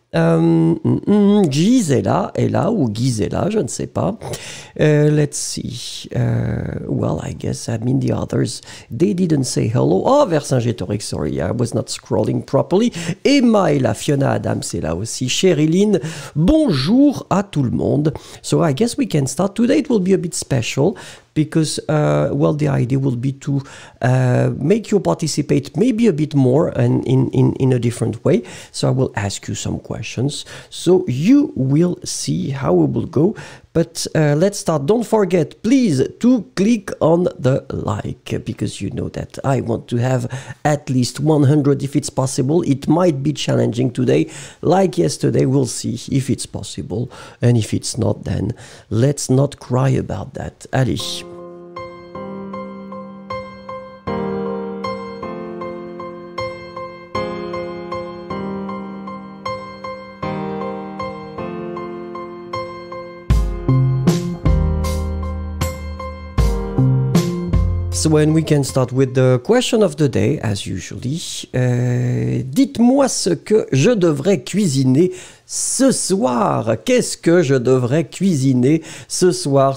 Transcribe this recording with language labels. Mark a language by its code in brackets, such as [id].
[fr] Giz est là, ou Giz est là, je ne sais pas. [en] Let's see. Well, I guess, I mean, the others, they didn't say hello. Oh, Vercingétorix, sorry, I was not scrolling properly. [fr] Emma est là, Fiona Adams est là aussi, Cherylyn, bonjour à tout le monde. [en] So, I guess we can start. Today it will be a bit special. Because, well, the idea will be to make you participate maybe a bit more and in a different way. So I will ask you some questions. So you will see how it will go. But let's start. Don't forget, please, to click on the like, because you know that I want to have at least 100 if it's possible. It might be challenging today, like yesterday. We'll see if it's possible. And if it's not, then let's not cry about that. Allez. When we can start with the question of the day, as usually. [fr] Dites-moi ce que je devrais cuisiner ce soir. Qu'est-ce que je devrais cuisiner ce soir?